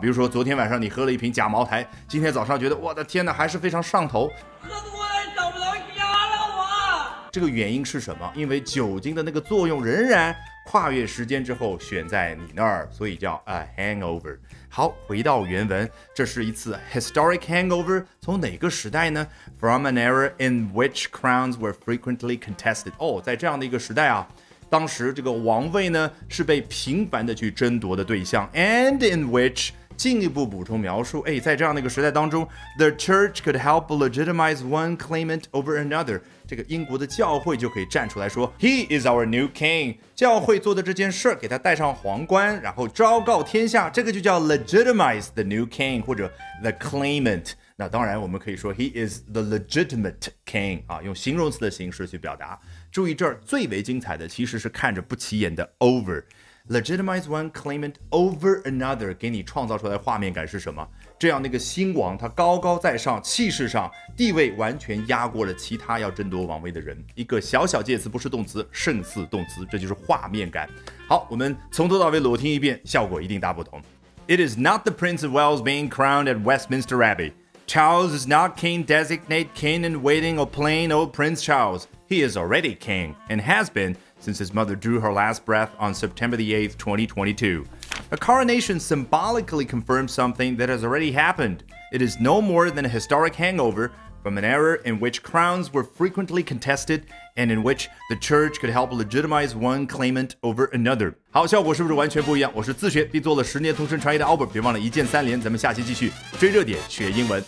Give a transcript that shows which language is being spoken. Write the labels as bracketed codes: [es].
[zh] 比如说昨天晚上你喝了一瓶假茅台，今天早上觉得我的天哪还是非常上头，喝多了找不到家了。我这个原因是什么？因为酒精的那个作用仍然跨越时间之后选在你那儿，所以叫 [en] a hangover。 [zh] 好，回到原文，这是一次 [en] historic hangover， [zh] 从哪个时代呢？ [en] from an era in which crowns were frequently contested。 [zh] 哦，在这样的一个时代啊，当时这个王位呢是被频繁的去争夺的对象。 [en] and in which [zh] 进一步补充描述，哎，在这样的一个时代当中， [en] the church could help legitimize one claimant over another， [zh] 这个英国的教会就可以站出来说 [en] He is our new king， [zh] 教会做的这件事给他戴上皇冠然后昭告天下，这个就叫 [en] legitimize the new king [zh] 或者 [en] the claimant。 [zh] 那当然我们可以说 [en] He is the legitimate king、 [zh] 啊、用形容词的形式去表达。注意这儿最为精彩的其实是看着不起眼的 over。 [en] Legitimize one claimant over another [zh] 给你创造出来的画面感是什么？这样那个新王他高高在上，气势上地位完全压过了其他要争夺王位的人。一个小小介词不是动词，胜似动词，这就是画面感。好，我们从头到尾裸听一遍，效果一定大不同。 [en] It is not the Prince of Wales being crowned at Westminster Abbey. Charles is not king designate, king in waiting, or plain old Prince Charles. He is already king and has been since his mother drew her last breath on September 8th, 2022. A coronation symbolically confirms something that has already happened. It is no more than a historic hangover from an era in which crowns were frequently contested and in which the church could help legitimize one claimant over another. [zh] 好，效果是不是完全不一样？我是自学并做了10年同声传译的 Albert， 别忘了一键三连，咱们下期继续追热点学英文。